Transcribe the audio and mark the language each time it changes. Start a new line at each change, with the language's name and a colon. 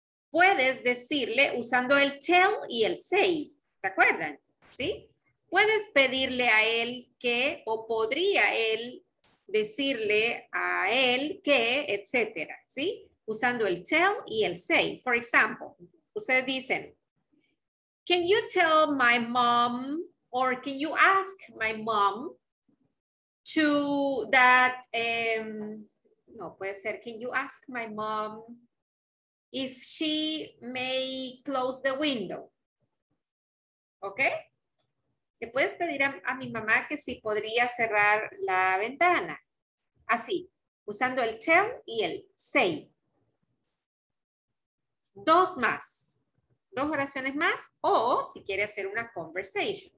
Spanish: puedes decirle usando el tell y el say, ¿te acuerdan? ¿Sí? Puedes pedirle a él que, o podría él decirle a él que, etcétera, ¿sí? Usando el tell y el say.
English: For example,
Spanish: ustedes dicen,
English: can you tell my mom, or can you ask my mom to that,
Spanish: no, puede ser,
English: can you ask my mom if she may close the window? ¿Ok?
Spanish: Le puedes pedir a mi mamá que si podría cerrar la ventana. Así, usando el tell y el say. Dos más. Dos oraciones más. O si quiere hacer una conversation.